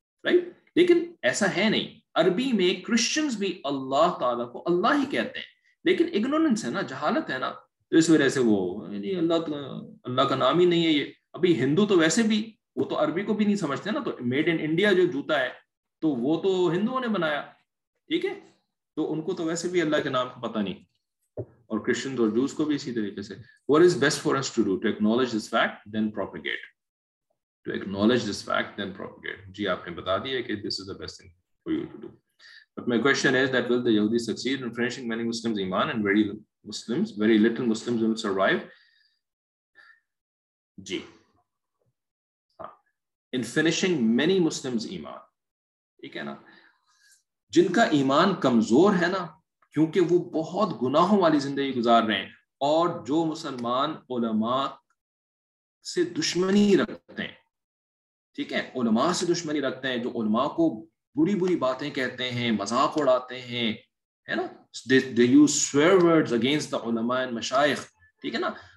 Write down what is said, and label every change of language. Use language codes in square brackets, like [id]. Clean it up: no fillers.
[ur] Right, لیکن ایسا ہے نہیں, عربی میں کرسچنز بھی اللہ تعالیٰ کو اللہ ہی کہتے ہیں, لیکن اگنورنس ہے نا, جہالت ہے نا, تو اس وجہ سے وہ جی اللہ کا نام ہی نہیں ہے یہ, ابھی ہندو تو ویسے بھی وہ تو عربی کو بھی نہیں سمجھتے نا, تو میڈ ان انڈیا جو جوتا ہے تو وہ تو ہندوؤں نے بنایا, ٹھیک ہے, تو ان کو تو ویسے بھی اللہ کے نام کا پتہ نہیں, اور کرسچنز اور جوز کو بھی اسی طریقے سے. [en] What is best for us to do? To acknowledge this fact, then propagate. To acknowledge this fact, then propagate. [ur] جی آپ نے بتا دیا کہ [en] this is the best thing for you to do. But my question is that will the Yahudi succeed in finishing many Muslims' iman and very little Muslims will survive? [ur] جی. [en] In finishing many Muslims' iman. [ur] ٹھیک ہے نا. جن کا ایمان کمزور ہے نا, کیونکہ وہ بہت گناہوں والی زندگی گزار رہے ہیں, اور جو مسلمان علماء سے دشمنی رکھتے ہیں, ٹھیک ہے, علماء سے دشمنی رکھتے ہیں, جو علماء کو بری بری باتیں کہتے ہیں, مذاق اڑاتے ہیں, ہے نا, [en] they use swear words against the علماء and مشائخ, [ur] ٹھیک ہے نا.